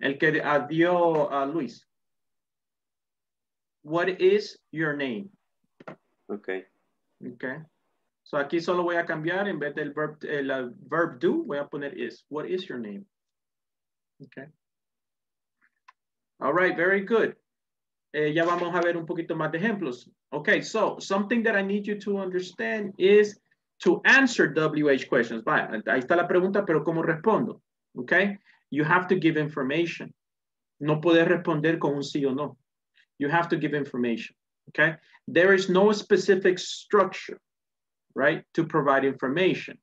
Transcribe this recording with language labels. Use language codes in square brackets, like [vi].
[es] El que dio Luis. [en] What is your name? Okay. Okay. [es] So aquí solo voy a cambiar, en vez del verb, el verb do, voy a poner is. [en] What is your name? Okay. All right, very good. [es] Ya vamos a ver un poquito más de ejemplos. [en] Okay, so something that I need you to understand is to answer WH questions. [es] Vaya, ahí está la pregunta, pero ¿cómo respondo? [en] Okay, you have to give information. [es] No puedes responder con un sí o no. [en] You have to give information, okay? There is no specific structure, right, to provide information.